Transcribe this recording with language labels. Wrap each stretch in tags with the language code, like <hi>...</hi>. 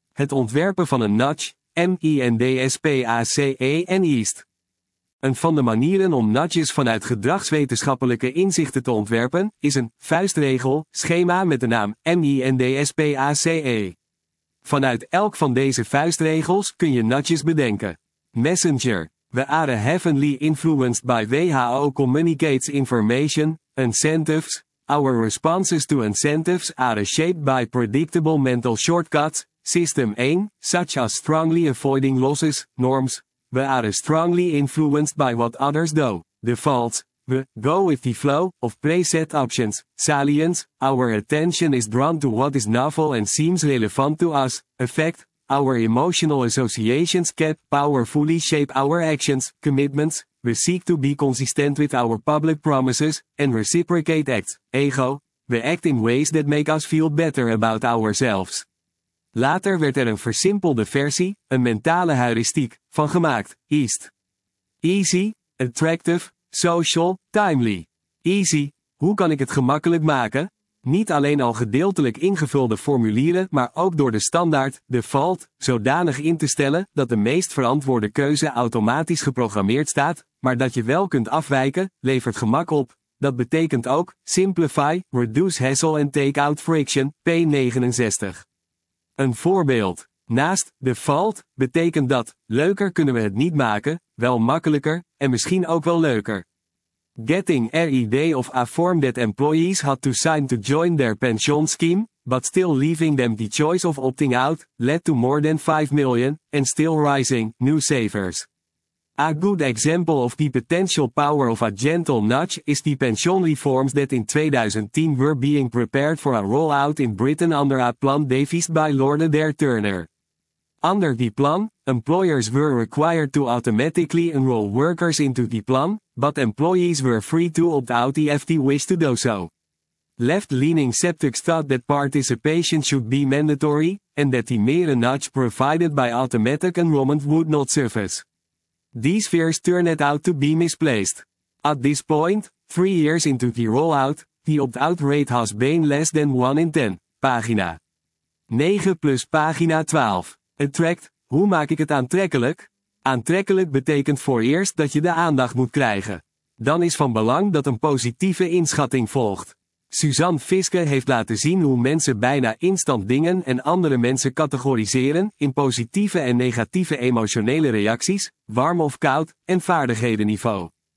<nl>Het ontwerpen van een nudge, MINDSPACE. Een van de manieren om nudges vanuit gedragswetenschappelijke inzichten te ontwerpen, is een vuistregel-schema met de naam MINDSPACE. Vanuit elk van deze vuistregels kun je nudges bedenken. Messenger.</nl> <en>We are heavily influenced by WHO communicates information, incentives. Our responses to incentives are shaped by predictable mental shortcuts, system 1, such as strongly avoiding losses, norms. We are strongly influenced by what others do, defaults. We go with the flow of preset options, salience. Our attention is drawn to what is novel and seems relevant to us. Effect. Our emotional associations can powerfully shape our actions, commitments. We seek to be consistent with our public promises and reciprocate acts. Ego. We act in ways that make us feel better about ourselves.</en> <nl>Later werd een versimpelde versie, een mentale heuristiek, van gemaakt.</nl> <en>East. Easy. Attractive. Social, timely.</en> <nl>Easy, hoe kan ik het gemakkelijk maken? Niet alleen al gedeeltelijk ingevulde formulieren, maar ook door de standaard, default, zodanig in te stellen dat de meest verantwoorde keuze automatisch geprogrammeerd staat, maar dat je wel kunt afwijken, levert gemak op. Dat betekent ook,</nl> <en>simplify, reduce hassle and take out friction,</en> <nl>p69. Een voorbeeld. Naast default betekent dat, leuker kunnen we het niet maken, wel makkelijker, en misschien ook wel leuker.</nl> <en>Getting rid of a form that employees had to sign to join their pension scheme, but still leaving them the choice of opting out, led to more than 5 million, and still rising, new savers. A good example of the potential power of a gentle nudge is the pension reforms that in 2010 were being prepared for a rollout in Britain under a plan devised by Lord Adair Turner. Under the plan, employers were required to automatically enroll workers into the plan, but employees were free to opt out if they wished to do so. Left-leaning sceptics thought that participation should be mandatory, and that the mere nudge provided by automatic enrollment would not suffice. These fears turned out to be misplaced. At this point, 3 years into the rollout, the opt-out rate has been less than 1 in 10,</en> <nl>pagina 9 plus pagina 12. Attract, hoe maak ik het aantrekkelijk? Aantrekkelijk betekent voor eerst dat je de aandacht moet krijgen. Dan is van belang dat een positieve inschatting volgt. Suzanne Fiske heeft laten zien hoe mensen bijna instant dingen en andere mensen categoriseren in positieve en negatieve emotionele reacties, warm of koud, en vaardighedenniveau.</nl>